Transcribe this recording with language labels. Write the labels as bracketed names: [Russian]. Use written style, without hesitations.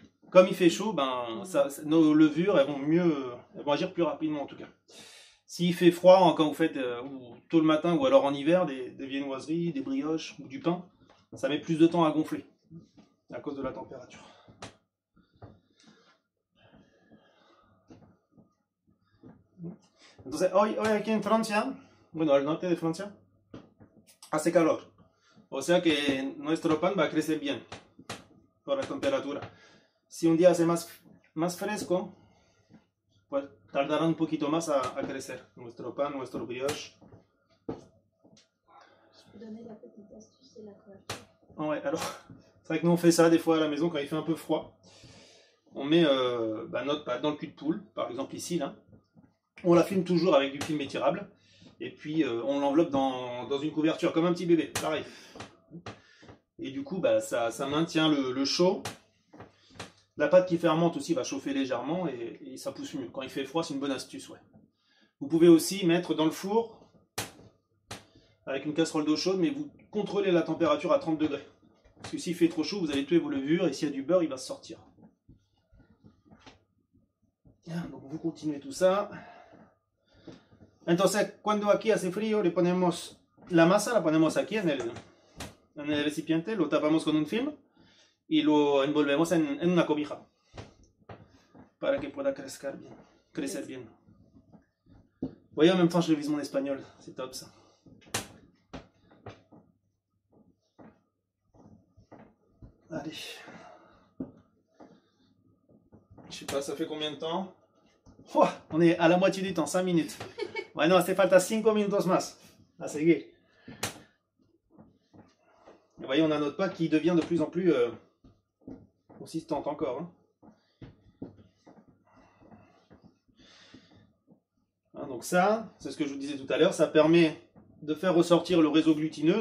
[French] Comme il fait chaud, ben nos levures elles vont agir plus rapidement en tout cas. S'il fait froid, hein, quand vous faites tôt le matin ou alors en hiver, des viennoiseries, des brioches ou du pain, ça met plus de temps à gonfler à cause de la température. [Spanish] Donc, hoy aquí en Francia, bueno, al norte de Francia, hace calor. O sea que nuestro pan va a crecer bien por la temperatura. Si un día hace más fresco, pues tardará un poquito más a crecer nuestro pan, nuestro brioche. [French] Je peux donner la petite astuce, c'est la couverture. Ouais, alors, c'est vrai que nous on fait ça des fois à la maison quand il fait un peu froid. On met notre pâte dans le cul de poule, par exemple ici, là. On la filme toujours avec du film étirable. Et puis, on l'enveloppe dans une couverture, comme un petit bébé, pareil. Et du coup, bah, ça maintient le chaud. La pâte qui fermente aussi va chauffer légèrement et ça pousse mieux. Quand il fait froid, c'est une bonne astuce. Ouais. Vous pouvez aussi mettre dans le four avec une casserole d'eau chaude, mais vous contrôlez la température à 30 degrés. Parce que s'il fait trop chaud, vous allez tuer vos levures et s'il y a du beurre, il va se sortir. Donc vous continuez tout ça. [Spanish] Entonces, cuando aquí hace frío, le ponemos la masa, la ponemos aquí en el recipiente, lo tapamos con un film. Y lo envolvemos en una cobija para que pueda crecer bien. [French] Voyez, en même temps, je révise mon espagnol. C'est top, ça. Allez. Je sais pas, ça fait combien de temps? Oh, on est à la moitié du temps, 5 minutes. [Spanish] Bueno, hace falta 5 minutos más. A seguir. [French] Vous voyez, on a notre pack qui devient de plus en plus... consistante encore. Hein. Hein, donc ça, c'est ce que je vous disais tout à l'heure, ça permet de faire ressortir le réseau glutineux.